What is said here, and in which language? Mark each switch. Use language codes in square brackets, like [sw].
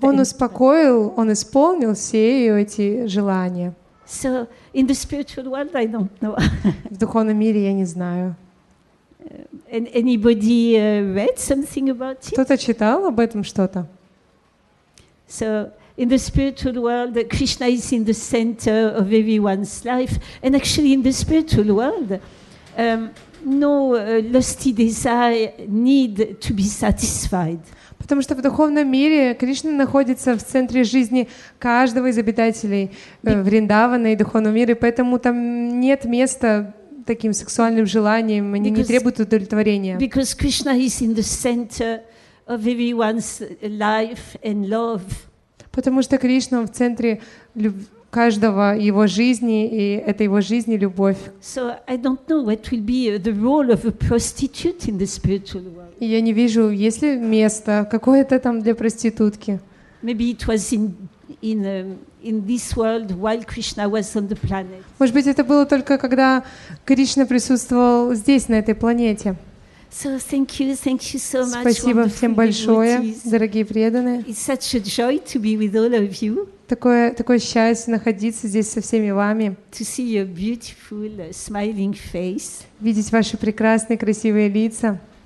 [ru] Он успокоил, он исполнил все ее эти желания. [en] So in the spiritual world, I don't know. [ru] В духовном мире я не знаю. [en] Anybody read something about it? [ru] Кто-то читал об этом что-то? [en] So in the spiritual world, Krishna is in the center of everyone's life, and actually in the spiritual world, no lusty desire need to be satisfied. [ru] Потому что в духовном мире Кришна находится в центре жизни каждого из обитателей Вриндавана и духовного мира, поэтому там нет места таким сексуальным желаниям, они не требуют удовлетворения. [en] Because Krishna is in the center of everyone's life and love. [ru] Потому что Кришна в центре каждого его жизни, и это его жизнь и любовь. [en] So I don't know what will be the role of a prostitute in the spiritual world. [ru] И я не вижу, есть ли место какое-то там для проститутки. [en] Maybe it was in this world while Krishna was on the planet. [ru] Может быть, это было только когда Кришна присутствовал здесь, на этой планете. [en] So thank you so much. [ru] Спасибо всем большое, дорогие преданные. [en] It's such a joy to be with all of you. [ru] Такое счастье находиться здесь со всеми вами. [en] To see your beautiful smiling face. [ru] Видеть ваши прекрасные красивые лица.